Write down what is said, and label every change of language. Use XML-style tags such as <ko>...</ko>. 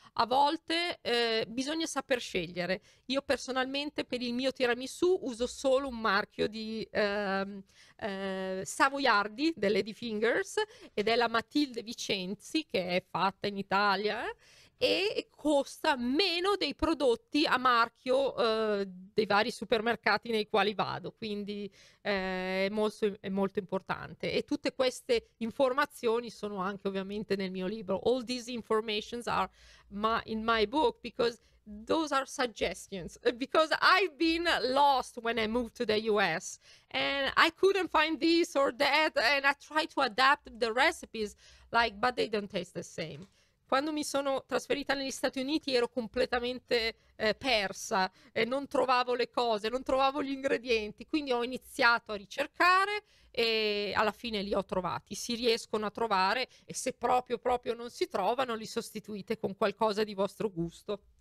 <it>A volte bisogna saper scegliere. Io personalmente per il mio tiramisù uso solo un marchio di savoiardi, delle Lady Fingers, ed è la Matilde Vicenzi, che è fatta in Italia e costa meno dei prodotti a marchio dei vari supermercati nei quali vado. Quindi è molto importante, e tutte queste informazioni sono anche ovviamente nel mio libro.</it> <en>All these informations are in my book, because those are suggestions, because I've been lost when I moved to the US and I couldn't find this or that, and I tried to adapt the recipes, like, but they don't taste the same.</en> <it>Quando mi sono trasferita negli Stati Uniti ero completamente persa e non trovavo le cose, non trovavo gli ingredienti. Quindi ho iniziato a ricercare e alla fine li ho trovati. Si riescono a trovare, e se proprio non si trovano, li sostituite con qualcosa di vostro gusto.</it>